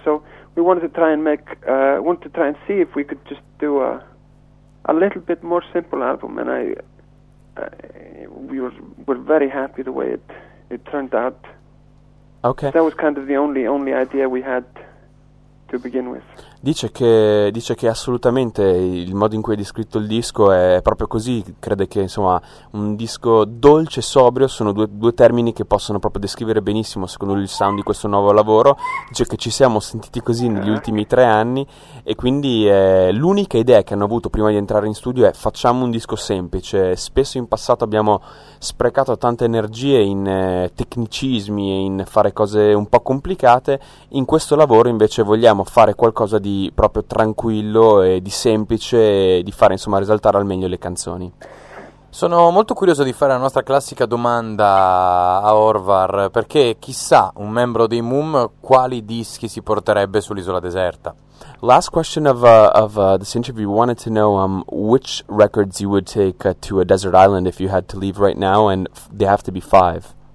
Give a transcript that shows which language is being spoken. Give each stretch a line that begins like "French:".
English: So we wanted to try and see if we could just do a little bit more simple album. And we were very happy the way it turned out. Okay. That was kind of the only idea we had to begin with.
Italian: Dice che assolutamente il modo in cui hai descritto il disco è proprio così. Crede che insomma un disco dolce e sobrio sono due termini che possono proprio descrivere benissimo, secondo lui, il sound di questo nuovo lavoro. Dice che ci siamo sentiti così negli ultimi 3 anni, e quindi l'unica idea che hanno avuto prima di entrare in studio è: facciamo un disco semplice. Spesso in passato abbiamo sprecato tante energie in tecnicismi e in fare cose un po' complicate. In questo lavoro invece vogliamo fare qualcosa di proprio tranquillo e di semplice, e di fare insomma risaltare al meglio le canzoni. Sono molto curioso di fare la nostra classica domanda a Orvar, perché chissà un membro dei Moom quali dischi si porterebbe sull'isola deserta.
English: Last question of this interview, wanted to know which records you would take to a desert island if you had to leave right now, and they have to be 5.